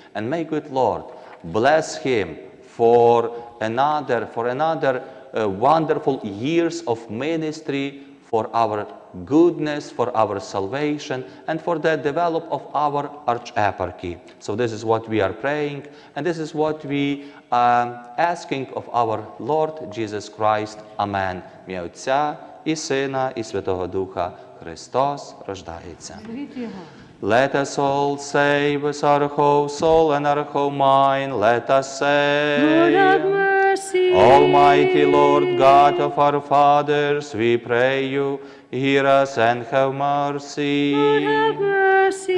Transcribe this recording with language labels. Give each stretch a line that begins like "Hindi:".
English: And may good Lord bless him for another wonderful years of ministry, for our goodness, for our salvation, and for the develop of our archeparchy. So this is what we are praying, and this is what we are asking of our Lord Jesus Christ. Amen.
Ukrainian: Мій Отця і Сина і Святого Духа Христос рождається.
English: Let us all say with our whole soul and our whole mind, let us say, Lord have mercy. Almighty Lord, God of our fathers, we pray you, hear us and have mercy. Lord, have mercy.